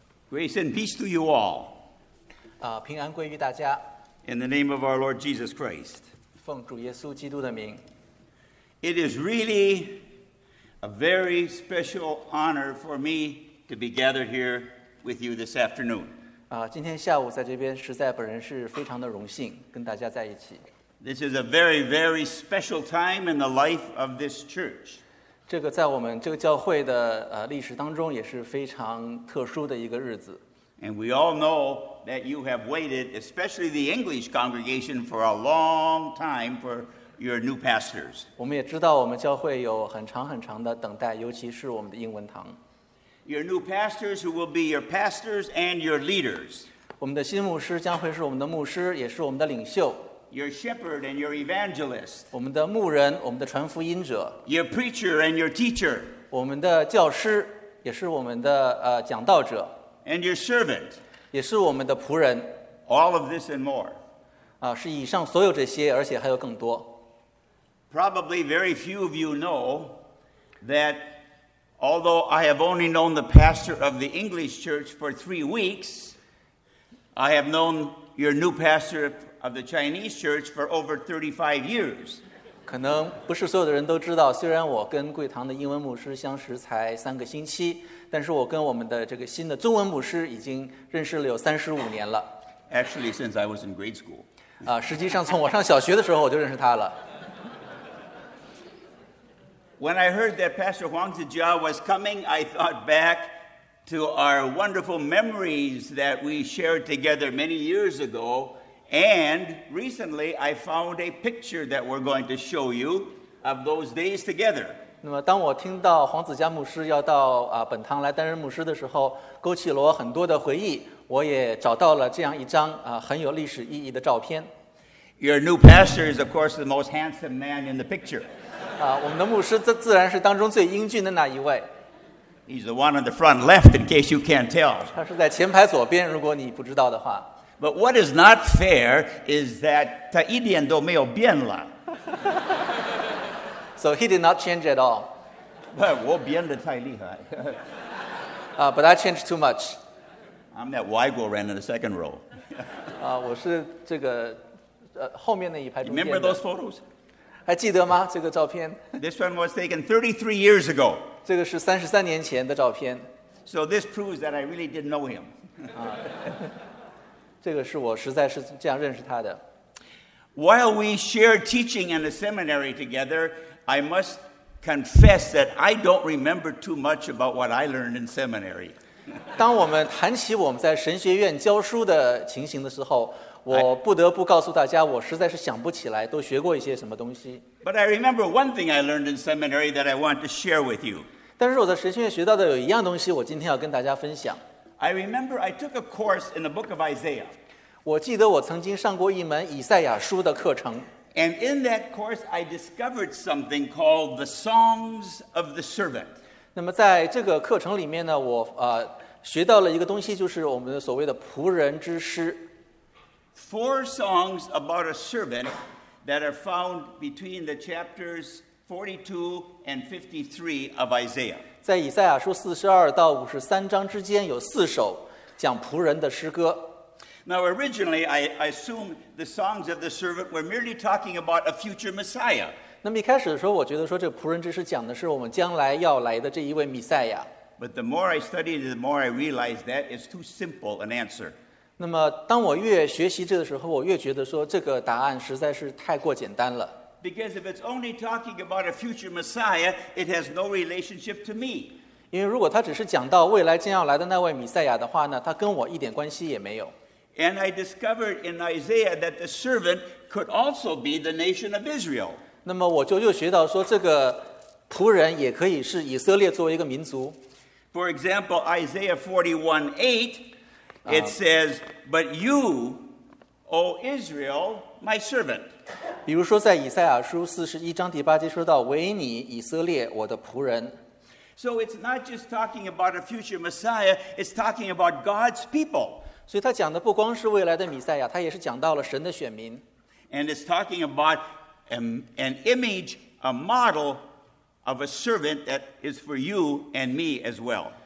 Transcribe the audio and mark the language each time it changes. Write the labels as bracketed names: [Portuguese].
[English] Grace and peace to you all. [Chinese] 平安归于大家。 [English] In the name of our Lord Jesus Christ. [Chinese] 奉主耶稣基督的名。 [English] It is really a very special honor for me to be gathered here with you this afternoon. [Chinese] 今天下午在这边，实在本人是非常的荣幸跟大家在一起。 [English] This is a very, very special time in the life of this church. [Chinese] 这个在我们这个教会的历史当中也是非常特殊的一个日子。 [English] And we all know that you have waited, especially the English congregation, for a long time for your new pastors. [Chinese] 我们也知道我们教会有很长很长的等待，尤其是我们的英文堂。 [English] Your new pastors who will be your pastors and your leaders. [Chinese] 我们的新牧师将会是我们的牧师，也是我们的领袖。 [English] Your shepherd and your evangelist. [Chinese] 我们的牧人，我们的传福音者。 [English] Your preacher and your teacher. [Chinese] 我们的教师，也是我们的讲道者。 [English] And your servant. [Chinese] 也是我们的仆人。 [English] All of this and more. [Chinese] 是以上所有这些，而且还有更多。 [English] Probably very few of you know that although I have only known the pastor of the English church for 3 weeks, I have known your new pastor of the Chinese church for over 35 years. [Chinese] 可能不是所有的人都知道，虽然我跟贵堂的英文牧师相识才三个星期，但是我跟我们的这个新的中文牧师已经认识了有35年了。 [English] Actually, since I was in grade school. [Chinese] 实际上从我上小学的时候我就认识他了。 [English] When I heard that Pastor Huang Zijia was coming, I thought back to our wonderful memories that we shared together many years ago. And recently, I found a picture that we're going to show you of those days together. [Chinese] 那么当我听到黄子佳牧师要到本堂来担任牧师的时候，勾起了我很多的回忆。我也找到了这样一张很有历史意义的照片。 [English] Your new pastor is, of course, the most handsome man in the picture. [Chinese] 我们的牧师自然是当中最英俊的那一位。 [English] He's the one on the front left, in case you can't tell. [Chinese] 他是在前排左边，如果你不知道的话。 [English] But what is not fair is that [Chinese] 他一点都没有变了。 [English] So he did not change at all. [Chinese] 我变得太厉害。 [English] But I changed too much. I'm that 外国人 in the second row. [Chinese] 我是这个后面那一排中间 [English] 的。Remember those photos? [Chinese] 还记得吗？这个照片。 [English] This one was taken 33 years ago. [Chinese] 这个是33年前的照片。 [English] So this proves that I really didn't know him. [Chinese] 这个是我实在是这样认识他的。 [English] While we shared teaching in the seminary together, I must confess that I don't remember too much about what I learned in seminary. [Chinese] 当我们谈起我们在神学院教书的情形的时候，我不得不告诉大家，我实在是想不起来都学过一些什么东西。 [English] But I remember one thing I learned in seminary that I want to share with you. [Chinese] 但是我在神学院学到的有一样东西，我今天要跟大家分享。 [English] I remember I took a course in the book of Isaiah. [Chinese] 我记得我曾经上过一门以赛亚书的课程。 [English] And in that course, I discovered something called the Songs of the Servant. [Chinese] 那么在这个课程里面呢，我学到了一个东西，就是我们所谓的仆人之诗。 [English] Four songs about a servant that are found between the chapters 42 and 53 of Isaiah. [Chinese] 在以赛亚书42到53章之间有四首讲仆人的诗歌。 [English] Now originally, I assumed the songs of the servant were merely talking about a future Messiah. [Chinese] 那么一开始的时候，我觉得说这仆人之诗讲的是我们将来要来的这一位弥赛亚。 [English] But the more I studied, the more I realized that is too simple an answer. [Chinese] 那么当我越学习这个时候，我越觉得说这个答案实在是太过简单了。 [English] Because if it's only talking about a future Messiah, it has no relationship to me. [Chinese] 因为如果他只是讲到未来将要来的那位弥赛亚的话呢，他跟我一点关系也没有。 [English] And I discovered in Isaiah that the servant could also be the nation of Israel. [Chinese] 那么我就又学到说，这个仆人也可以是以色列作为一个民族。 [English] For example, Isaiah 41:8, it says, "But you, O Israel, my servant." [Chinese] 比如说，在以赛亚书41:8说到：“唯你以色列，我的仆人。” [English] So it's not just talking about a future Messiah; it's talking about God's people. [Chinese] 所以他讲的不光是未来的弥赛亚，他也是讲到了神的选民。 [English] And it's talking about an image, a model. Of a servant that is for you and me as well.